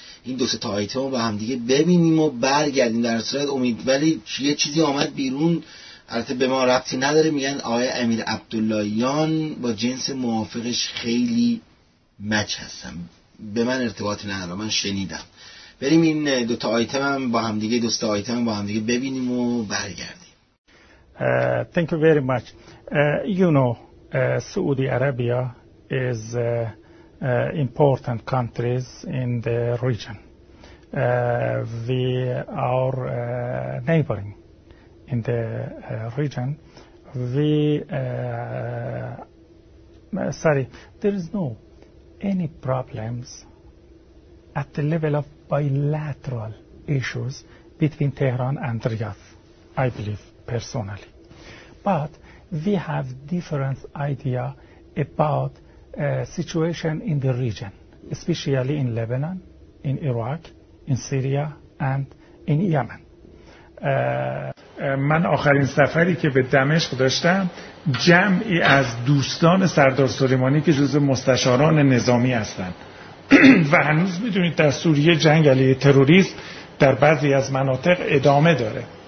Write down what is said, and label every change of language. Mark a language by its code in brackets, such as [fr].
[fa] این دو سه تا آیتم رو با هم دیگه ببینیم و برگردیم. در صورت امید ولی یه چیزی اومد بیرون، البته به ما ربطی نداره، میگن آقای امیر عبداللهیان با جنس موافقش خیلی مچ هستن. به من ارتباطی نداره، من شنیدم. بریم این دو تا آیتم هم با هم دیگه، دو سه آیتم با هم دیگه ببینیم و برگردیم. [en] Thank you very much. You know, Saudi Arabia is important countries in the region. We are neighboring in the region. We sorry, there is no any problems at the level of bilateral issues between Tehran and Riyadh, I believe personally. But we have different idea about situation in the region, especially in Lebanon, in Iraq, in Syria, and in Yemen. [fa] من آخرین سفری که به دمشق داشتم، جمعی از دوستان سردار سلیمانی که جزء مستشاران نظامی هستند و هنوز میدونید در سوریه جنگ علیه تروریست در بعضی از مناطق ادامه داره،